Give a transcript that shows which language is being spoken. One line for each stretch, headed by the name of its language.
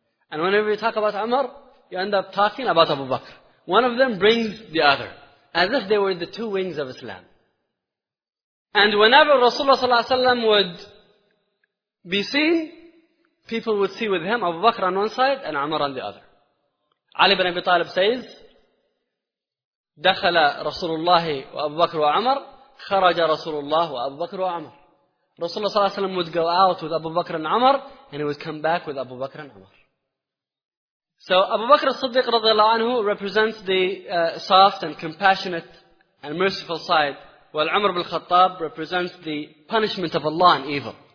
English: And whenever you talk about Umar, you end up talking about Abu Bakr. One of them brings the other. As if they were the two wings of Islam. And whenever Rasulullah ﷺ would be seen, people would see with him Abu Bakr on one side and Umar on the other. Ali ibn Abi Talib says,
Arabic: دخل رسول الله وأبو بكر وعمر خرج رسول الله وأبو بكر وعمر.
English: Rasulullah ﷺ would go out with Abu Bakr and Umar, and he would come back with Abu Bakr and Umar. So Abu Bakr as-Siddiq radiallahu anhu represents the soft and compassionate and merciful side, while Umar ibn al-Khattab represents the punishment of Allah and evil.